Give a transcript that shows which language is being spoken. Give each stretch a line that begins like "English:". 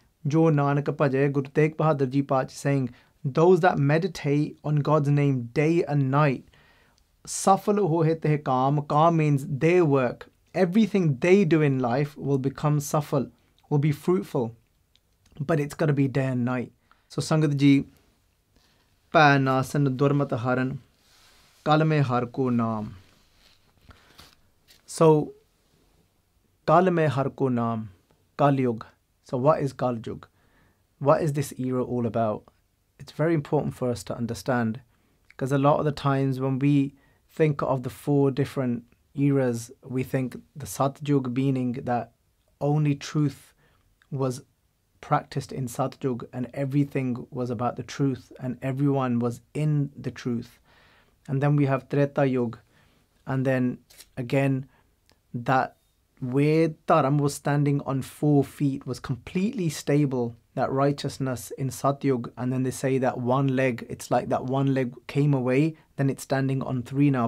Punjabi: Jo nanak bhajai,
English: Guru Tegh Bahadur Ji Paach saying, those that meditate on God's name day and night,
Punjabi: safal hohe tehe kaam.
English: Kaam means their work. Everything they do in life will become safal, will be fruitful, but it's got to be day and night.
Punjabi: So Sangat Ji, ਭੈ ਨਾਸਨ ਦੁਰਮਤ ਹਰਨ, ਕਲ ਮੈਂ ਹਰ ਕੋ ਨਾਮ। ਸੋ ਕਲ ਮੈਂ ਹਰ ਕੋ ਨਾਮ, ਕਲਯੁੱਗ।
English: So what is Kalyug? What is this era all about? It's very important for us to understand, because a lot of the times when we think of the four different eras, we think the Satyug meaning that only truth was practiced in Satyug, and everything was about the truth, and everyone was in the truth. And then we have Treta Yug, and then again, that way Dharam was standing on four feet, was completely stable, that righteousness in Satyug. And then they say that one leg, it's like that one leg came away, then it's standing on three now.